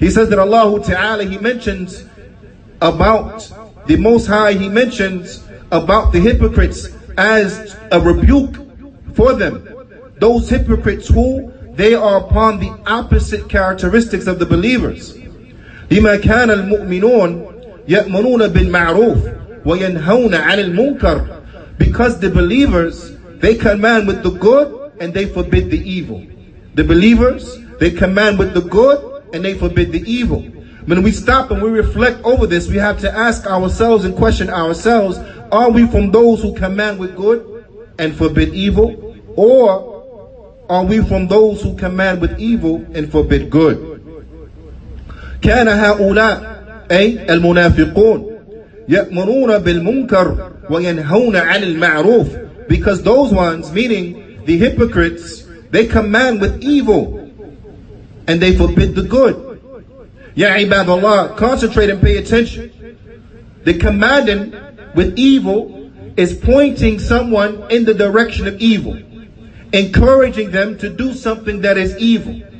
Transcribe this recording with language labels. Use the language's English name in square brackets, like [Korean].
[English] He says that Allah Ta'ala, he mentions about the Most High, he mentions about the hypocrites as a rebuke for them. Those hypocrites who, they are upon the opposite characteristics of the believers. [Arabic] لما كان المؤمنون يأمنون بالمعروف وينهون عن المنكر. [English] Because the believers, they command with the good and they forbid the evil. The believers, they command with the good and they forbid the evil. When we stop and we reflect over this, we have to ask ourselves and question ourselves, are we from those who command with good and forbid evil? Or are we from those who command with evil and forbid good? [Arabic] كان هؤلاء أي المنافقون يأمرون بالمنكر وينهون عن المعروف. [English] Because those ones, meaning the hypocrites, they command with evil and they forbid the good. Ya ibadallah, concentrate and pay attention. The commanding with evil is pointing someone in the direction of evil, encouraging them to do something that is evil.